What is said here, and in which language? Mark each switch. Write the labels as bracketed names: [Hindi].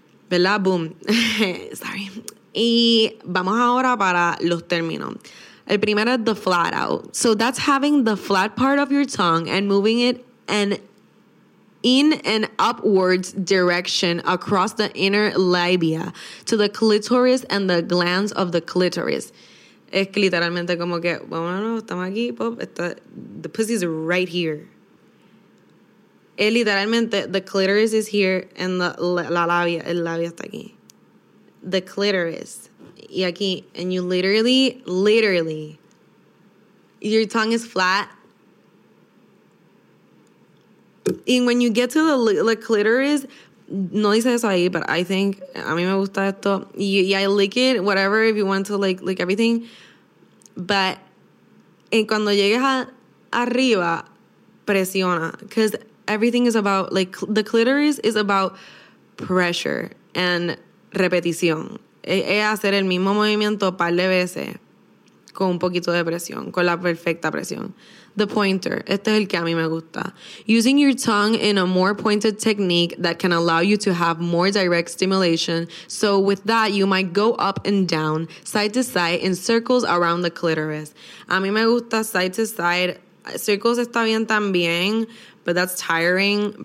[Spanish] ¿Verdad? Boom. [English] Sorry. [Spanish] Y vamos ahora para los términos. El primero es the flat out. [English] So that's having the flat part of your tongue and moving it in an upwards direction across the inner labia to the clitoris and the glands of the clitoris. [Spanish] Es que literalmente como que, bueno, estamos aquí, pop. [English] The pussy is right here. [Spanish] Es literalmente, [English] the clitoris is here and [Spanish] la labia está aquí. [English] The clitoris. [Spanish] Y aquí, [English] and you literally, your tongue is flat. And when you get to the clitoris, [Spanish] no dice eso ahí, [English] but I think, [Spanish] a mí me gusta esto. [English] Yeah, I lick it, whatever, if you want to, like, lick everything. But and [Spanish] cuando llegues arriba, presiona. [English] Because everything is about, like, the clitoris is about pressure and repetición. [Spanish] Es hacer el mismo movimiento un par de veces con un poquito de presión, con la perfecta presión. The pointer. Este es el que a mí me gusta. [English] Using your tongue in a more pointed technique that can allow you to have more direct stimulation. So with that, you might go up and down, side to side, in circles around the clitoris. [Spanish] A mí me gusta [English] side to side. [Spanish] Circles está bien también, [English] but that's tiring.